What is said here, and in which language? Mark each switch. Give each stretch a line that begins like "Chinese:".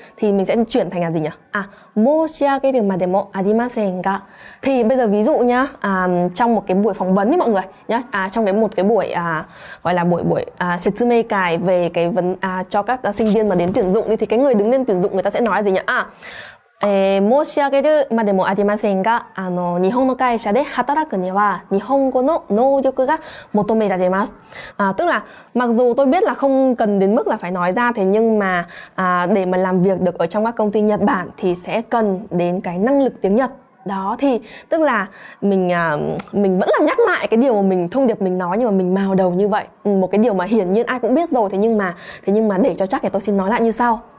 Vietnamese: Thì mình sẽ chuyển thành là gì nhỉ?
Japanese: Moshiageru mademo adimasenga.
Vietnamese: Thì bây giờ ví dụ nhá, trong một cái buổi phỏng vấn ấy mọi người nhá, trong cái một cái buổi gọi là buổi shitsume kai về cái vấn cho các sinh viên mà đến tuyển dụng đi, thì cái người đứng lên tuyển dụng người ta sẽ nói là gì nhỉ?
Japanese: 申し上げるまでもありませんが、日本の会社で働くには日本語の能力が求められます。
Vietnamese: Tức là mặc dù tôi biết là không cần đến mức là phải nói ra, thế nhưng mà để mà làm việc được ở trong các công ty Nhật Bản thì sẽ cần đến cái năng lực tiếng Nhật. Đó, thì tức là mình vẫn là nhắc lại cái điều mà mình, thông điệp mình nói, nhưng mà mình mào đầu như vậy, một cái điều mà hiển nhiên ai cũng biết rồi, thế nhưng mà để cho chắc thì tôi xin nói lại như sau.